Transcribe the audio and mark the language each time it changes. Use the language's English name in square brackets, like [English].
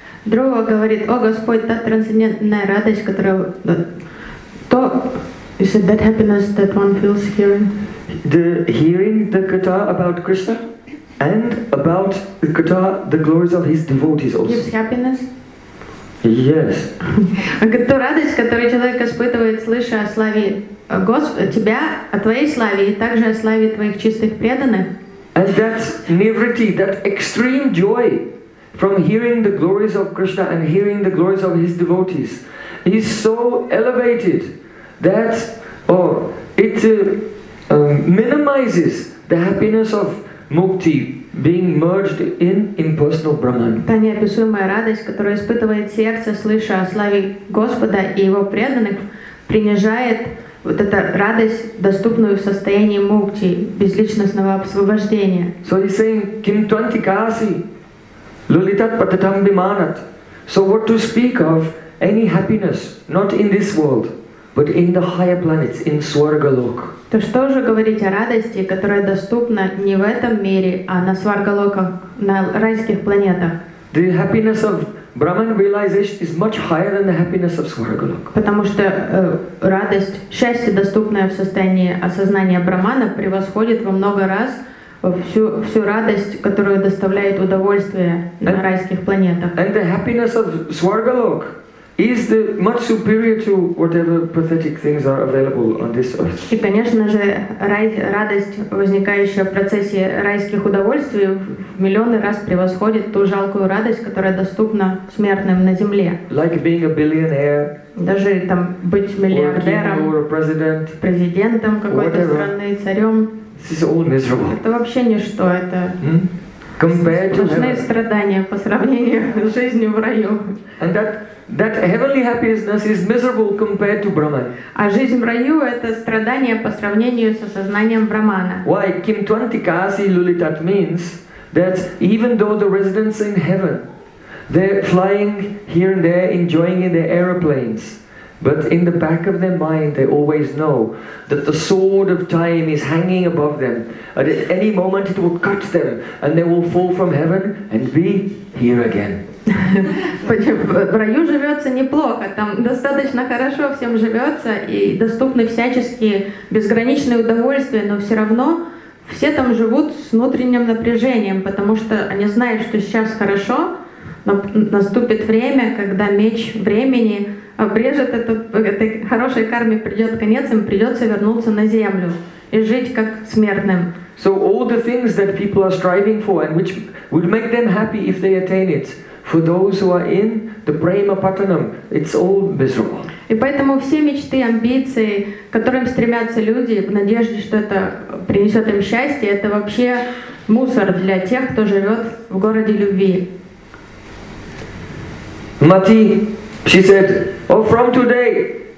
[Russian] Dhruva говорит, о Господь, та трансцендентная радость, которая то, [English] you said that happiness that one feels hearing. The hearing the katha about Krishna and about the katha, the glories of his devotees also. Gives happiness. Yes. [Russian] Ту радость, которую человек испытывает, слыша о славе Господа, тебя, о твоей славе и также о славе твоих чистых преданных. [English] And that nivritti, that extreme joy from hearing the glories of Krishna and hearing the glories of his devotees, is so elevated that minimizes the happiness of mukti being merged in impersonal Brahman. [Russian] Та неописуемая радость, которую испытывает сердце, слыша о славе Господа и его преданных, принижает вот эта радость, доступную в состоянии мукти, безличностного освобождения. [English] So he's saying, [Sanskrit] Kim Twanti Kasi Lulitat Patatam Bimanat. [English] So what to speak of any happiness, not in this world, but in the higher planets, in Swargalok. [Russian] То что же говорить о радости, которая доступна не в этом мире, а на Сваргалоках, на райских планетах? [English] The happiness of Brahman realization is much higher than the happiness of Swargalok. [Russian] Потому что радость, счастье, доступное в состоянии осознания Брахмана, превосходит во много раз всю радость, которую доставляет удовольствие на райских планетах. [English] And the happiness of Swargalok is the much superior to whatever pathetic things are available on this earth. [Russian] И, конечно же, радость, возникающая в процессе райских удовольствий, в миллионы раз превосходит ту жалкую радость, которая доступна смертным на земле. [English] Like being a billionaire. [Russian] Даже там быть миллиардером. [English] Or a president. [Russian] Президентом какой-то страны, царем. [English] This is all miserable. [Russian] Это вообще ничто. Это сплошные страдания по сравнению с жизнью в раю. [English] And that heavenly happiness is miserable compared to Brahman. [Russian] А жизнь в раю — это страдание по сравнению со сознанием Брахмана. [English] Why? Kim Twanti Kasi Lulitat means that even though the residents in heaven, they're flying here and there, enjoying in their aeroplanes, But in the back of their mind, they always know that the sword of time is hanging above them. And at any moment, it will cut them, and they will fall from heaven and be here again. [Russian] В раю живется неплохо, там достаточно хорошо всем живется, и доступны всяческие безграничные удовольствия, но все равно все там живут с внутренним напряжением, потому что они знают, что сейчас хорошо, но наступит время, когда меч времени обрежет этой хорошей карме, придет конец, им придется вернуться на землю и жить как смертным. [English] So all the things that people are striving for and which would make them happy if they attain it, for those who are in the prema patanam, it's all miserable. [Russian] И поэтому все мечты, амбиции, к которым стремятся люди в надежде, что это принесет им счастье, это вообще мусор для тех, кто живет в городе любви. [English] Mati, she said, oh, from today.